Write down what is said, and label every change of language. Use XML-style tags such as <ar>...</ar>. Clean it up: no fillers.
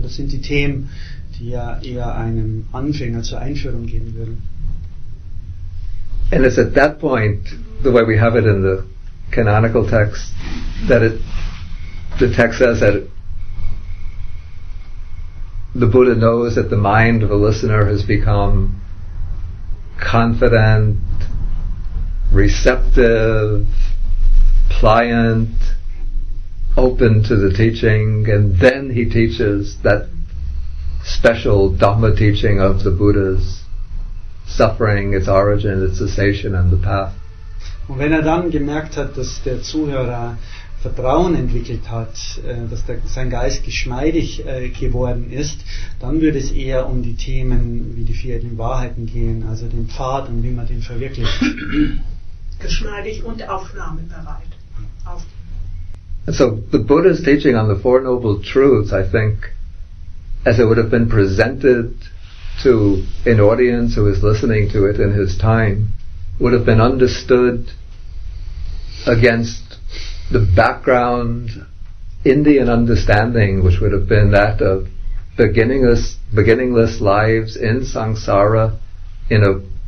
<de>Das sind die Themen, die ja eher einem Anfänger zur Einführung geben würden.</de> <en>And it's at that point, the way we have it in the canonical text, that it, the text says that the Buddha knows that the mind of a listener has become confident, receptive, pliant, open to the teaching, and then he teaches that special Dhamma teaching of the Buddha's suffering, its origin, its cessation, and the path.</en> <de>Und wenn er dann gemerkt hat, dass der Zuhörer Vertrauen entwickelt hat, dass sein Geist geschmeidig geworden ist, dann würde es eher um die Themen wie die vier edlen Wahrheiten gehen, also den Pfad und wie man den verwirklicht. Geschmeidig und aufnahmebereit.</de> <en>So the Buddha's teaching on the Four Noble Truths, I think, as it would have been presented to an audience who was listening to it in his time, would have been understood against the background Indian understanding, which would have been that of beginningless lives in samsara, in a</en>